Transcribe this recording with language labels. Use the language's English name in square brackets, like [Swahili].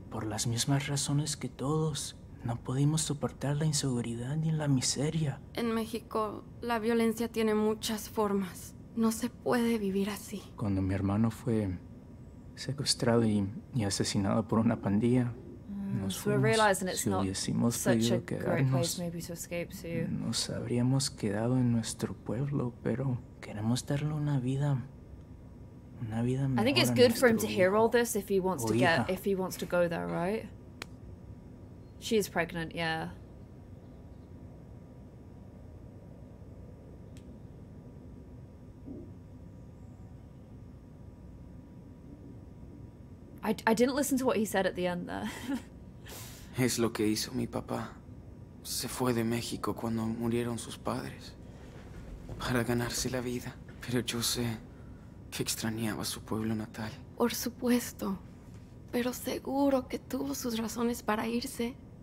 [Spanish] Por las mismas razones que todos. No podemos soportar la inseguridad ni la miseria. En México, la violencia tiene muchas formas. No se puede vivir así. Cuando mi hermano fue secuestrado y asesinado por una pandilla, nos fuimos. [English] We're realizing it's not such a great place maybe to escape to. [Spanish] Nos habríamos quedado en nuestro pueblo, pero queremos darle una vida una vida mejor. [English] I think it's good for him to hear all this if he wants to get, if he wants to go there, right? She is pregnant, yeah. I didn't listen to what he said at the end there. [Spanish] Es lo que hizo mi papá. Se fue de México cuando murieron sus padres. Para ganarse la vida. Pero yo sé que extrañaba su pueblo natal. Por supuesto. Pero seguro que tuvo sus razones para irse.